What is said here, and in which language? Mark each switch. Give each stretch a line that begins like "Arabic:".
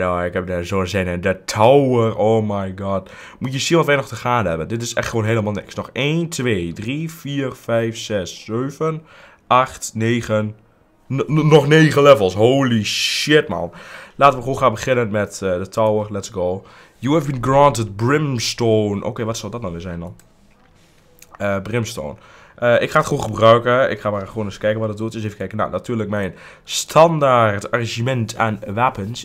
Dutch: Oh, ik heb daar zo'n zin in. De Tower,
English: oh my god.
Dutch: Moet je zien wat wij nog te gaan hebben. Dit is echt gewoon helemaal niks. Nog 1, 2, 3, 4, 5, 6, 7, 8, 9, nog 9 levels.
English: Holy shit man.
Dutch: Laten we gewoon gaan beginnen met de Tower,
English: let's go. You have been granted Brimstone.
Dutch: Oké, wat zou dat nou weer zijn dan? Brimstone. Ik ga het gewoon gebruiken. Ik ga maar gewoon eens kijken wat het doet. Dus even kijken. Nou, natuurlijk mijn standaard arrangement aan wapens.